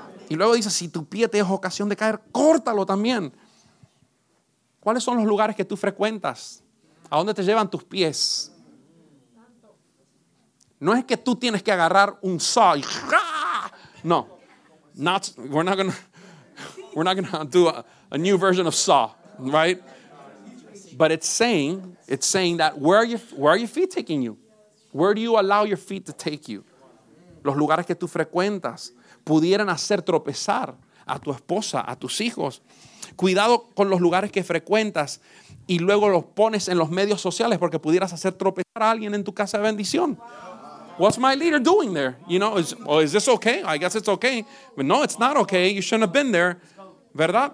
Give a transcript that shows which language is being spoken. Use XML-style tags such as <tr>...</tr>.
<es>Y luego dice, si tu pie te es ocasión de caer, córtalo también. ¿Cuáles son los lugares que tú frecuentas? ¿A dónde te llevan tus pies? No es que tú tienes que agarrar un saw y ¡ja! No.</es> <en>We're not gonna do a new version of saw, right? But it's saying that where are your feet taking you? Where do you allow your feet to take you?</en> <es>Los lugares que tú frecuentas pudieran hacer tropezar a tu esposa, a tus hijos. Cuidado con los lugares que frecuentas y luego los pones en los medios sociales porque pudieras hacer tropezar a alguien en tu casa de bendición.</es> <en>What's my leader doing there? You know, is this okay? I guess it's okay. But no, it's not okay. You shouldn't have been there. ¿Verdad?</en>